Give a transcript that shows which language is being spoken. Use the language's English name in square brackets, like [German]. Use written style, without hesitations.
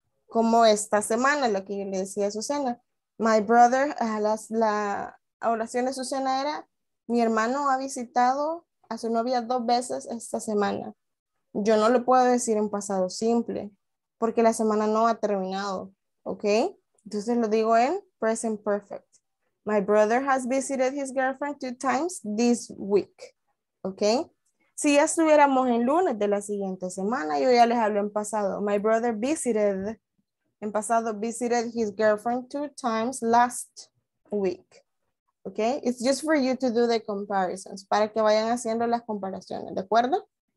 [Spanish] Como esta semana, lo que yo le decía a Susana. [English] My brother, [Spanish] la oración de Susana era, mi hermano ha visitado a su novia 2 veces esta semana. Yo no lo puedo decir en pasado simple, porque la semana no ha terminado, ¿ok? Entonces lo digo en present perfect. [English] My brother has visited his girlfriend 2 times this week, ¿ok? [Spanish] Si ya estuviéramos en lunes de la siguiente semana, yo ya les hablo en pasado. [English] My brother visited, [Spanish] en pasado, [English] visited his girlfriend 2 times last week. Okay? It's just for you to do the comparisons, [Spanish] para que vayan haciendo las comparaciones, ¿de acuerdo?